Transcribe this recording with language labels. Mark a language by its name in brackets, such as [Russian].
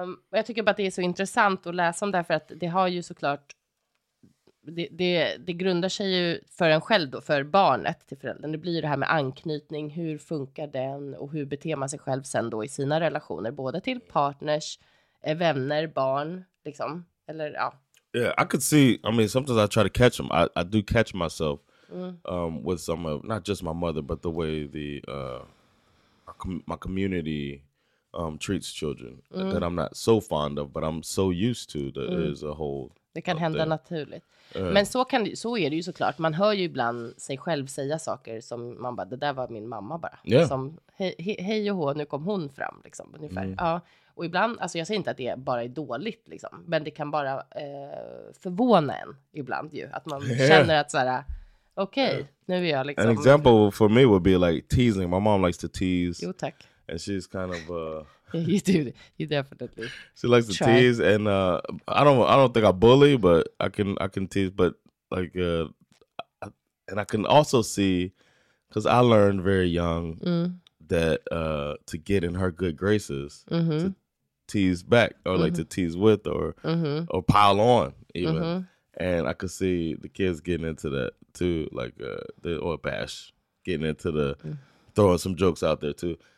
[Swedish] Jag tycker bara att det är så intressant att läsa om det här, för att det har ju såklart det grundar sig ju för en själv då, för barnet till föräldern. Det blir ju det här med anknytning, hur funkar den och hur beter man sig själv sen då i sina relationer, både till partners, vänner, barn liksom, eller ja. [English] Yeah, I could see, I mean sometimes I try to catch them, I do catch myself with some of, not just my mother but the way the my community treats children that I'm not so fond of, but I'm so used to that is a whole. [Swedish] Det kan hända there. Naturligt. Men så är det ju såklart. Man hör ju ibland sig själv säga saker som man bara, det där var min mamma bara. [English] Yeah. [Swedish] Som hej och hå, nu kom hon fram liksom ungefär. Mm. Ja. Och ibland, alltså jag säger inte att det bara är dåligt liksom, men det kan bara förvåna en ibland ju. Att man känner att såhär, okej, nu är jag liksom. [English] An example for me would be like teasing. My mom likes to tease. [Swedish] Jo, tack. [English] And she's kind of you definitely. She likes to tease, and I don't think I bully, but I can tease, but like I can also see, because I learned very young that to get in her good graces to tease back or like to tease with or pile on even, and I could see the kids getting into that too, like or bash getting into the throwing some jokes out there too.